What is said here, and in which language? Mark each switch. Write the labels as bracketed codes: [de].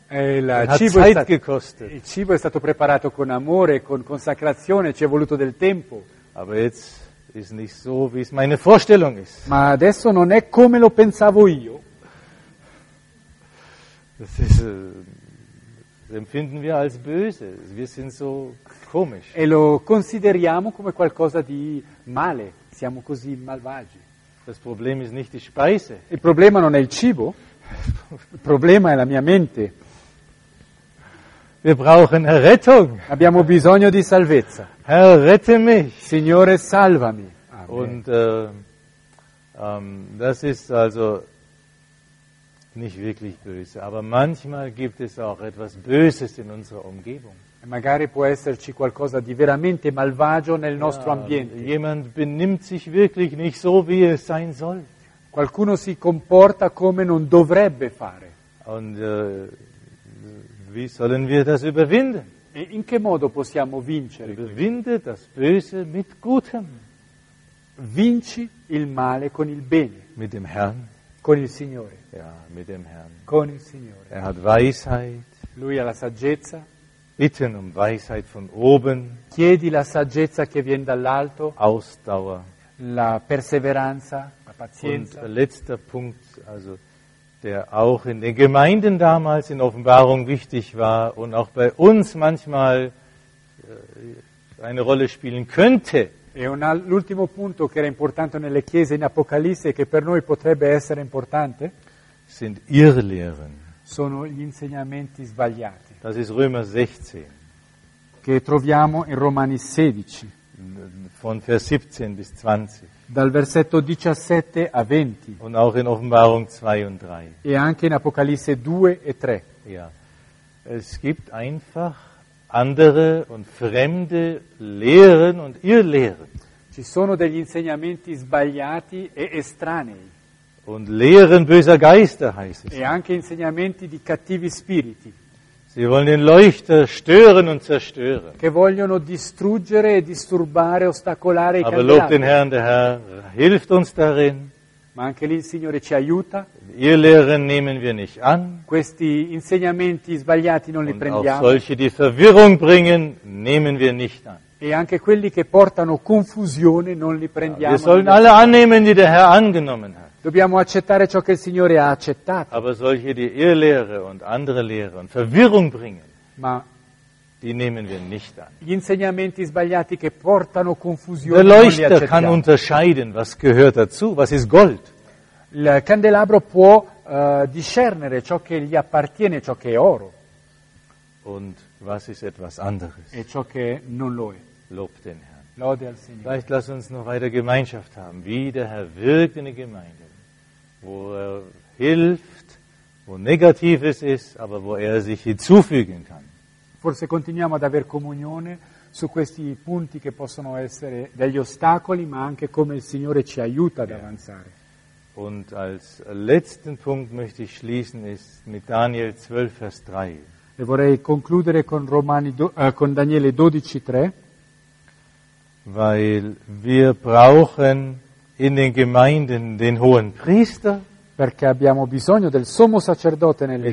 [it] Il cibo è stato preparato con amore, con consacrazione, ci è voluto del tempo. [de] Aber jetzt ist nicht so, wie es meine Vorstellung ist. [it] Ma adesso non è come lo pensavo io. [de] Das empfinden wir als böse. Wir sind so komisch. [it] E lo consideriamo come qualcosa di male. Siamo così malvagi. [de] Das Problem ist nicht die Speise. [it] Il problema non è il cibo. Il problema è la mia mente. [de] Wir brauchen Errettung. [it] Abbiamo bisogno di salvezza. [de] Herr, rette mich. [it] Signore, salvami. [de] Amen. Und das ist also nicht wirklich böse. Aber manchmal gibt es auch etwas Böses in unserer Umgebung. [it] Magari può esserci qualcosa di veramente malvagio nel nostro ambiente. [de] Jemand benimmt sich wirklich nicht so, wie es sein soll. [it] Qualcuno si comporta come non dovrebbe fare. [de] Und wie sollen wir das überwinden? [it] E in che modo possiamo vincere? [de] Überwinde das Böse mit Gutem. [it] Vinci il male con il bene. [de] Mit dem Herrn. [it] Con il Signore. [de] Ja, mit dem Herrn. [it] Con il Signore. [de] Er hat Weisheit. [it] Lui ha la saggezza. [de] Bitten um Weisheit von oben. [it] Chiedi la saggezza che viene dall'alto. [de] Ausdauer. [it] La perseveranza, la pazienza. [de] Und letzter Punkt, also der auch in den Gemeinden damals in Offenbarung wichtig war und auch bei uns manchmal eine Rolle spielen könnte. [it] E l'ultimo punto che era importante nelle chiese in Apocalisse, che per noi potrebbe essere importante, [de] sind Irrlehren. [it] Sono gli insegnamenti sbagliati. [de] Das ist Römer 16. [it] Che troviamo in Romani 16. [de] Von Vers 17 bis 20. [it] Dal versetto 17 a 20. [de] Und auch in Offenbarung 2 und 3. [it] E anche in Apocalisse 2 e 3. [de] Ja. Es gibt einfach andere und fremde Lehren und Irrlehren. [it] Ci sono degli insegnamenti sbagliati e estranei. [de] Und Lehren böser Geister heißt es. [it] E anche insegnamenti di cattivi spiriti. [de] Sie wollen den Leuchter stören und zerstören. [it] Che vogliono distruggere, disturbare, ostacolare i candelabri. [de] Aber lob den Herrn, der Herr hilft uns darin. [it] Ma anche lì il Signore ci aiuta. [de] Ihr Lehren nehmen wir nicht an. [it] Questi insegnamenti sbagliati non li prendiamo. [de] Und auch solche, die Verwirrung bringen, nehmen wir nicht an. [it] E anche quelli che portano confusione non li prendiamo. [de] Wir sollen alle annehmen, die der Herr angenommen hat. [it] Dobbiamo accettare ciò che il Signore ha accettato. [de] Aber solche, die Irrlehre und andere Lehre und Verwirrung bringen, [it] ma [de] die nehmen wir nicht an. [it] Gli insegnamenti sbagliati che portano confusione. [de] Der Leuchter kann unterscheiden, was gehört dazu, was ist Gold. [it] Il candelabro può discernere ciò che gli appartiene, ciò che è oro. [de] und was ist etwas anderes? [it] E ciò che non lo è. [de] Lob den Herrn. [it] Lode al Signore. [de] Vielleicht lass uns noch weiter Gemeinschaft haben, wie der Herr wirkt in der Gemeinde, wo er hilft, wo Negatives ist, aber wo er sich hinzufügen kann. [it] Forse continuiamo ad aver comunione su questi punti che possono essere degli ostacoli, ma anche come il Signore ci aiuta ad avanzare. [de] Und als letzten Punkt möchte ich schließen ist mit Daniel 12, Vers 3. [it] E vorrei concludere con con Daniele 12, 3. [de] Weil wir brauchen in den Gemeinden den hohen Priester. [it] Perché abbiamo bisogno del sommo sacerdote nelle